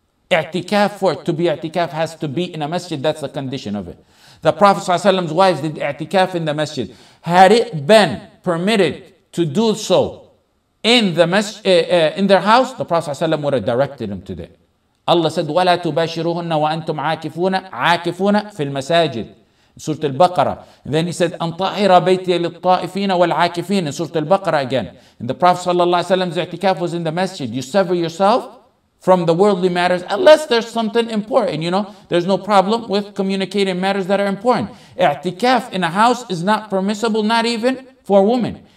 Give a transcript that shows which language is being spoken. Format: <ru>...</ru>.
<en>I'tikaf, for it to be i'tikaf, has to be in a masjid. That's the condition of it. The Prophet ﷺ's wives did i'tikaf in the masjid. Had it been permitted to do so in the in their house, the Prophet ﷺ would have directed them to that. Allah said,</en> <ar>وَلَا تُبَاشِرُهُنَّ وَأَنْتُمْ عَاكِفُونَ فِي الْمَسَاجِدِ Surah Al-Baqarah.</ar> <en>And then he said,</en> <ar>"Antahira baiti lil-ta'ifina wal-'akifin."</ar> <en>In Surah Al-Baqarah again. And the Prophet sallallahu alaihi wasallam's i'tikaf was in the masjid. You sever yourself from the worldly matters unless there's something important. You know, there's no problem with communicating matters that are important. I'tikaf in a house is not permissible, not even for a woman.</en>